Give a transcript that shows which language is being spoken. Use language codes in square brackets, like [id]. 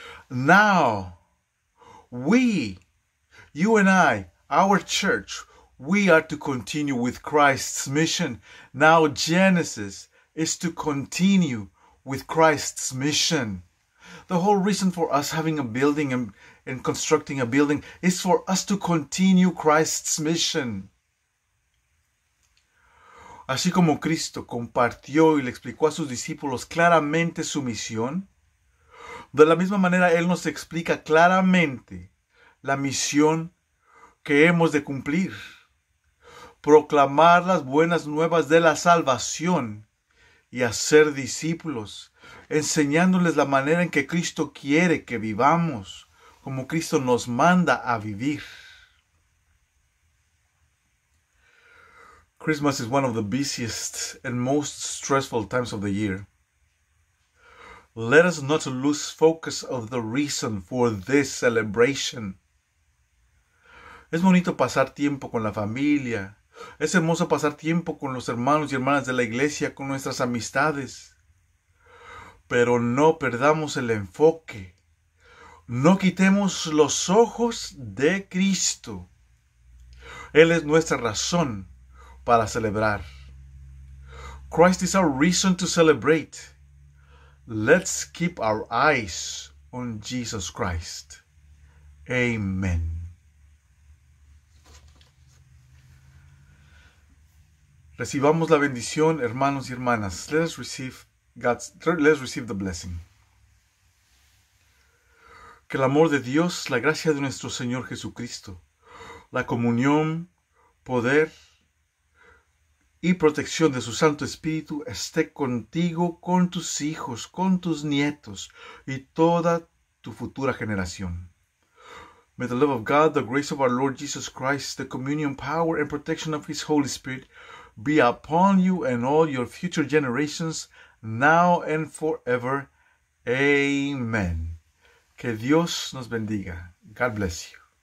[en] Now, we, you and I, our church, we are to continue with Christ's mission. Now Genesis is to continue with Christ's mission. The whole reason for us having a building and constructing a building is for us to continue Christ's mission. [es] Así como Cristo compartió y le explicó a sus discípulos claramente su misión, de la misma manera Él nos explica claramente la misión que hemos de cumplir. Proclamar las buenas nuevas de la salvación y hacer discípulos, enseñándoles la manera en que Cristo quiere que vivamos, como Cristo nos manda a vivir. [en] Christmas is one of the busiest and most stressful times of the year. Let us not lose focus of the reason for this celebration. [es] Es bonito pasar tiempo con la familia. Es hermoso pasar tiempo con los hermanos y hermanas de la iglesia, con nuestras amistades. Pero no perdamos el enfoque. No quitemos los ojos de Cristo. Él es nuestra razón para celebrar. [en] Christ is our reason to celebrate. Let's keep our eyes on Jesus Christ. Amen. [es] Recibamos la bendición, hermanos y hermanas. [en] Let us receive the blessing. [es] Que el amor de Dios, la gracia de nuestro Señor Jesucristo, la comunión, poder y protección de su Santo Espíritu esté contigo, con tus hijos, con tus nietos y toda tu futura generación. [en] May the love of God, the grace of our Lord Jesus Christ, the communion, power and protection of His Holy Spirit be upon you and all your future generations, now and forever. Amen. [es] Que Dios nos bendiga. [en] God bless you.